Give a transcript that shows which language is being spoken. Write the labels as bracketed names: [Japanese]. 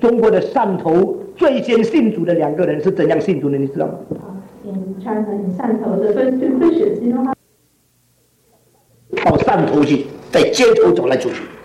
[Chinese] 中国的汕头最先信主的两个人是怎样信主的？你知道吗？ [English] In China, in 汕头 the first two Christians, you know how? [Chinese] 到汕头去，在街头走来走去。